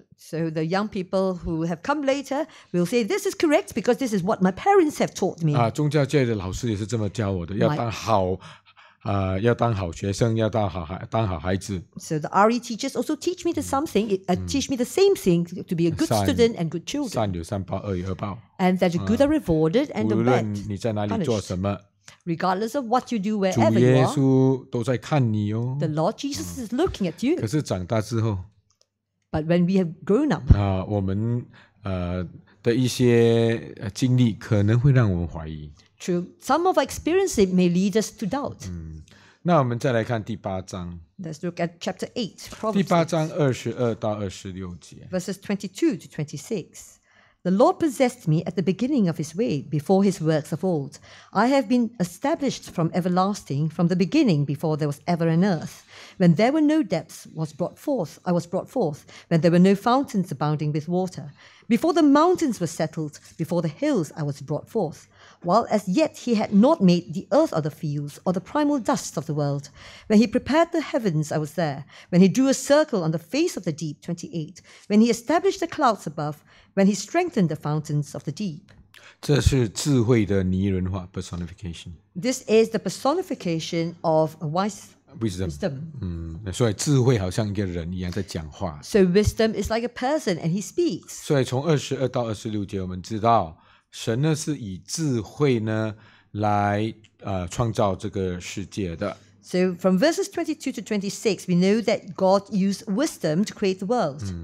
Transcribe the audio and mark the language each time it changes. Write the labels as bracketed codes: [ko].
[en] So the young people who have come later will say this is correct because this is what my parents have taught me. [zh] 宗教界的老师也是这么教我的，要当好要当好学生，要当好孩，当好孩子。 [en] So the RE teachers also teach me the something, teach me the same thing to be a good student and good children. [zh] 善有善报，恶有恶报。 [en] And that the good are rewarded and the bad punished. [zh] 无论你在哪里做什么 [en] ，Regardless of what you do, wherever you are, [zh] 主耶稣都在看你哦。 [en] The Lord Jesus is looking at you. [zh] 可是长大之后 [en] ，But when we have grown up, [zh] 我们的一些经历可能会让我们怀疑。 [en] True. Some of our experiences may lead us to doubt. [zh] 那我们再来看第八章。 [en] Let's look at chapter 8. [zh] 第八章22到26节。 [en] Verses 22 to 26. The Lord possessed me at the beginning of his way, before his works of old. I have been established from everlasting, from the beginning, before there was ever an earth. When there were no depths, I was brought forth. When there were no fountains abounding with water. Before the mountains were settled, before the hills, I was brought forth. While as yet he had not made the earth or the fields or the primal dust of the world. When he prepared the heavens, I was there. When he drew a circle on the face of the deep, 28. When he established the clouds above, when he strengthened the fountains of the deep. [zh] 这是智慧的拟人化 personification. [en] This is the personification of a wise wisdom. [zh] 所以智慧好像一个人一样在讲话。 [en] So wisdom is like a person and he speaks. [zh] 所以从22到26节我们知道神呢是以智慧呢来创造这个世界的。 So from verses 22 to 26, we know that God used wisdom to create the world.